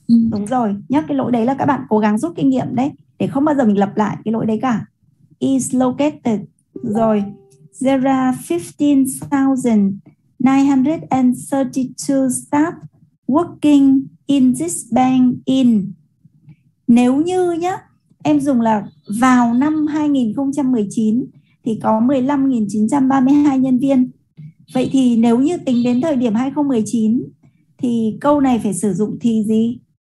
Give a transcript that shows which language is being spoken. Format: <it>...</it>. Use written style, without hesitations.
<vi>Đúng rồi, nhắc cái lỗi đấy là các bạn cố gắng rút kinh nghiệm đấy, để không bao giờ mình lặp lại cái lỗi đấy cả.</vi> <en>Is located.</en> <vi>Rồi,</vi> <en>there are 15,932 staff working in this bank in.</en> <vi>Nếu như nhá, em dùng là vào năm 2019 thì có 15,932 nhân viên. Vậy thì nếu như tính đến thời điểm 2019 thì câu này phải sử dụng thì gì?</vi>